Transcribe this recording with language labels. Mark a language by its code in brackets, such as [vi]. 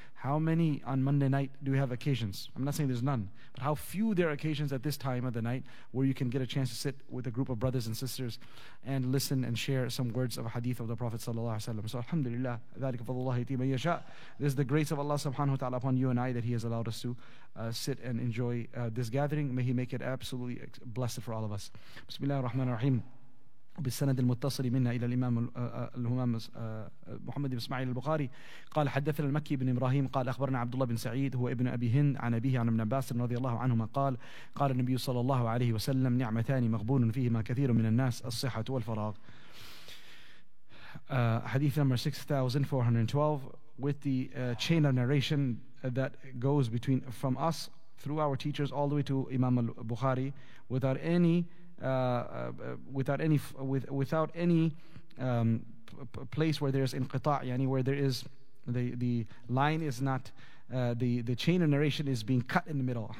[en] How many on Monday night do we have occasions? I'm not saying there's none, but how few there are occasions at this time of the night where you can get a chance to sit with a group of brothers and sisters and listen and share some words of hadith of the Prophet sallallahu alaihi wasallam. So alhamdulillah, [ar] dhalika fadlullah yati man yasha. [en] This is the grace of Allah subhanahu wa ta'ala upon you and I that He has allowed us to sit and enjoy this gathering. May He make it absolutely blessed for all of us. [ar] Bismillah ar-Rahman ar-Rahim. بالسند المتصل منا إلى الإمام الهمام محمد بن إسماعيل البخاري قال حدثنا المكي بن إبراهيم قال أخبرنا عبد الله بن سعيد هو ابن أبي هند عن أبيه عن ابن عباس رضي الله عنهما قال قال النبي صلى الله عليه وسلم نعمتان مغبون فيهما كثير من الناس الصحة والفراغ. [en] Hadith number 6412 with the chain of narration that goes between from us through our teachers all the way to Imam al-Bukhari without any place where there's inqita', yani where there is the line is not the chain of narration is being cut in the middle.